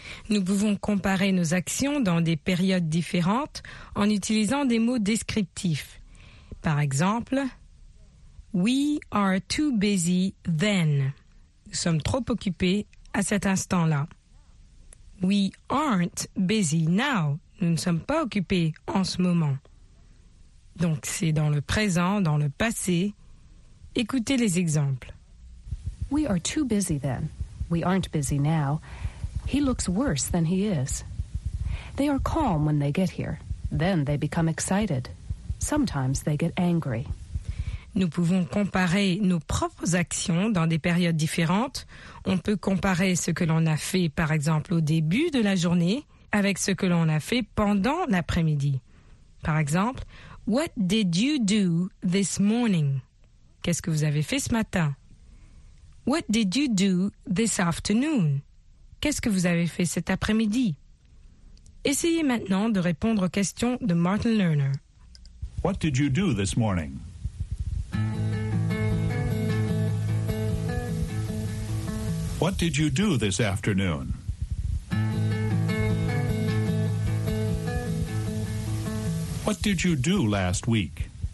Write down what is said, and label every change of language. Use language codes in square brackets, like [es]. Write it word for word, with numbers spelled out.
[fr] Nous pouvons comparer nos actions dans des périodes différentes en utilisant des mots descriptifs. Par exemple, [en] we are too busy then. [fr] Nous sommes trop occupés à cet instant-là. [en] We aren't busy now. [fr] Nous ne sommes pas occupés en ce moment. Donc c'est dans le présent, dans le passé. Écoutez les exemples. [en] We are too busy then. We aren't busy now. He looks worse than he is. They are calm when they get here. Then they become excited. Sometimes they get angry. [fr] Nous pouvons comparer nos propres actions dans des périodes différentes. On peut comparer ce que l'on a fait, par exemple, au début de la journée avec ce que l'on a fait pendant l'après-midi. Par exemple, [en] what did you do this morning? [fr] Qu'est-ce que vous avez fait ce matin? [en] What did you do this afternoon? [fr] Qu'est-ce que vous avez fait cet après-midi? Essayez maintenant de répondre aux questions de Martin Lerner. [en] What did you do this morning? What did you do this afternoon? What did you do last week?